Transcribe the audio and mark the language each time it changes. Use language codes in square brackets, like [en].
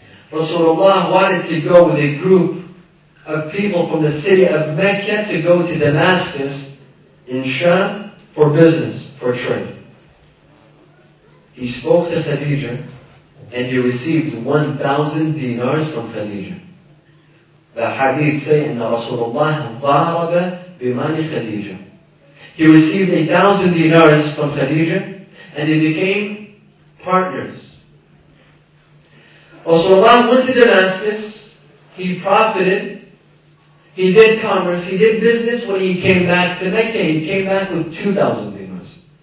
[en] Rasulullah wanted to go with a group of people from the city of Mecca to go to Damascus in Sham for business, for trade. He spoke to Khadija and he received 1,000 dinars from Khadija. The hadith say, [ar] إن رسول الله ضارب بمال خديجة. [en] He received 1,000 dinars from Khadija, and they became partners. Rasulullah went to Damascus, he profited, he did commerce, he did business. When he came back to Mecca, he came back with 2,000 dinars.